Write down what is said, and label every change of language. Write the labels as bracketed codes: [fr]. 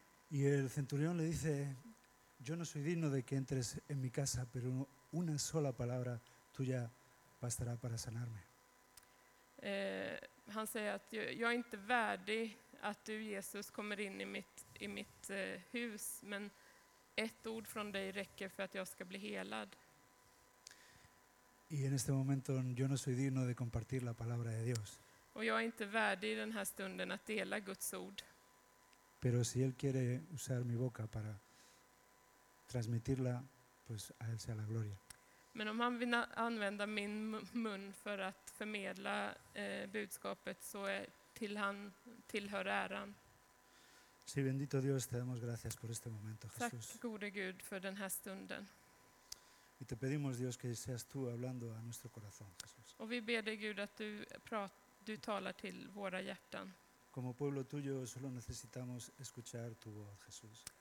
[es] Y el centurión le dice, yo no soy digno de que entres en mi casa, pero una sola palabra tuya bastará para sanarme. [sv] Han säger att jag är inte värdig att du Jesus kommer in i mitt hus, men ett ord från dig räcker för att jag ska bli helad. [es] Y en este momento yo no soy digno de compartir la palabra de Dios. [sv] Och jag är inte värdig i den här stunden att dela Guds ord. [es] Pero si él quiere usar mi boca para transmitirla, pues a él sea la gloria. [sv] Men om han vill använda min mun för att förmedla budskapet, så är tillhör äran. [es] Sí, bendito Dios, te damos gracias por este momento, Jesús. [sv] Tack gode Gud för den här stunden. [es] Y te pedimos, Dios, que seas tú hablando a nuestro corazón, Jesús. [sv] Och vi ber dig, Gud, att du talar till våra hjärtan. [es] Como pueblo tuyo solo necesitamos escuchar tu voz, Jesús.